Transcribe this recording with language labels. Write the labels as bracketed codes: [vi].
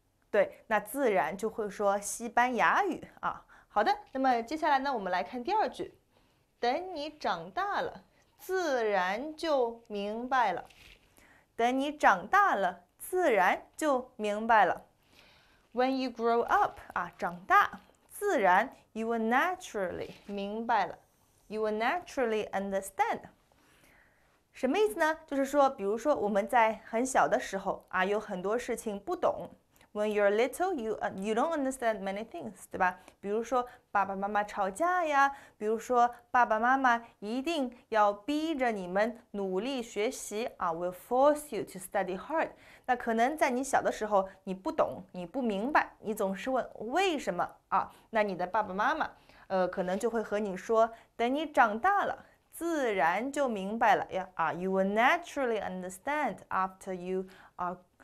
[zh] 对，那自然就会说西班牙语啊。好的，那么接下来呢，我们来看第二句。等你长大了，自然就明白了。等你长大了，自然就明白了。 [en] When you grow up 啊， [zh] 长大，自然， [en] you will naturally [zh] 明白了， [en] you will naturally understand。 [zh] 什么意思呢？就是说，比如说我们在很小的时候啊，有很多事情不懂。 [en] When you're little, you don't understand many things， [zh] 对吧？比如说爸爸妈妈吵架呀，比如说爸爸妈妈一定要逼着你们努力学习啊， [en] will force you to study hard。 [zh] 那可能在你小的时候你不懂，你不明白，你总是问为什么啊？那你的爸爸妈妈，可能就会和你说，等你长大了，自然就明白了呀啊， [en] you will naturally understand after you are。